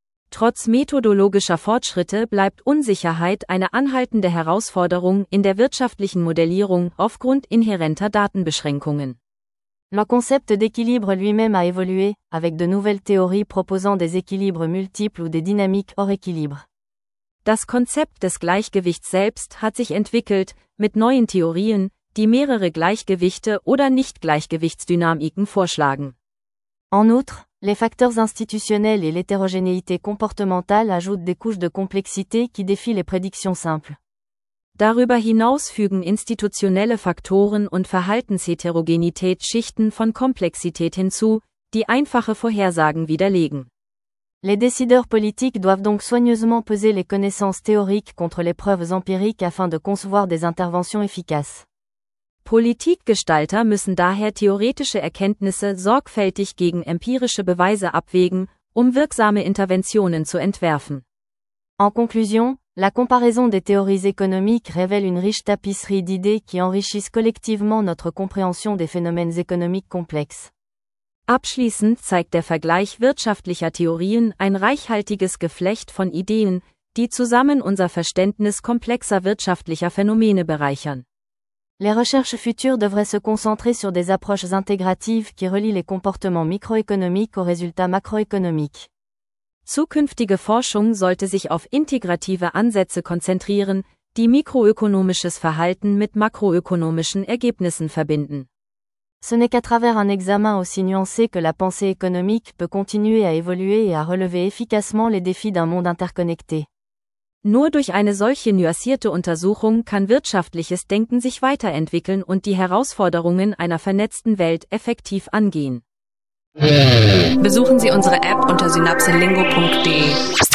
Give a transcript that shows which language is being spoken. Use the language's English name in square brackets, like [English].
[German] Trotz methodologischer Fortschritte bleibt Unsicherheit eine anhaltende Herausforderung in der wirtschaftlichen Modellierung aufgrund inhärenter Datenbeschränkungen. [French] Le concept d'équilibre lui-même a évolué, avec de nouvelles théories proposant des équilibres multiples ou des dynamiques hors équilibre. [German] Das Konzept des Gleichgewichts selbst hat sich entwickelt, mit neuen Theorien, die mehrere Gleichgewichte oder Nicht-Gleichgewichtsdynamiken vorschlagen. [French] En outre, les facteurs institutionnels et l'hétérogénéité comportementale ajoutent des couches de complexité qui défient les prédictions simples. [German] Darüber hinaus fügen institutionelle Faktoren und Verhaltensheterogenität Schichten von Komplexität hinzu, die einfache Vorhersagen widerlegen. [French] Les décideurs politiques doivent donc soigneusement peser les connaissances théoriques contre les preuves empiriques afin de concevoir des interventions efficaces. [German] Politikgestalter müssen daher theoretische Erkenntnisse sorgfältig gegen empirische Beweise abwägen, um wirksame Interventionen zu entwerfen. [French] En conclusion, la comparaison des théories économiques révèle une riche tapisserie d'idées qui enrichissent collectivement notre compréhension des phénomènes économiques complexes. [German] Abschließend zeigt der Vergleich wirtschaftlicher Theorien ein reichhaltiges Geflecht von Ideen, die zusammen unser Verständnis komplexer wirtschaftlicher Phänomene bereichern. [French] Les recherches futures devraient se concentrer sur des approches intégratives qui relient les comportements microéconomiques aux résultats macroéconomiques. [German] Zukünftige Forschung sollte sich auf integrative Ansätze konzentrieren, die mikroökonomisches Verhalten mit makroökonomischen Ergebnissen verbinden. [French] Ce n'est qu'à travers un examen aussi nuancé que la pensée économique peut continuer à évoluer et à relever efficacement les défis d'un monde interconnecté. [German] Nur durch eine solche nuancierte Untersuchung kann wirtschaftliches Denken sich weiterentwickeln und die Herausforderungen einer vernetzten Welt effektiv angehen. Besuchen Sie unsere App unter synapsenlingo.de.